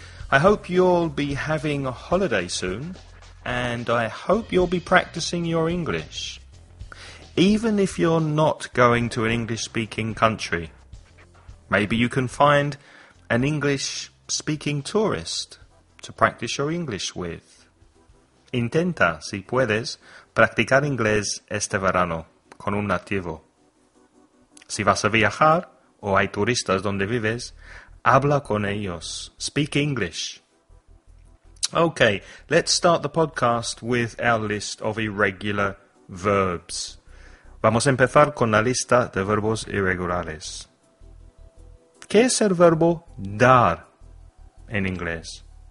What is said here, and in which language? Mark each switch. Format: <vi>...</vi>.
<en>I hope you'll be having a holiday soon, and I hope you'll be practicing your English. Even if you're not going to an English-speaking country, maybe you can find an English-speaking tourist to practice your English with.</en> <es>Intenta, si puedes, practicar inglés este verano con un nativo. Si vas a viajar o hay turistas donde vives, habla con ellos.</es> <en>Speak English. Okay, let's start the podcast with our list of irregular verbs.</en> <es>Vamos a empezar con la lista de verbos irregulares. ¿Qué es el verbo dar en inglés?</es>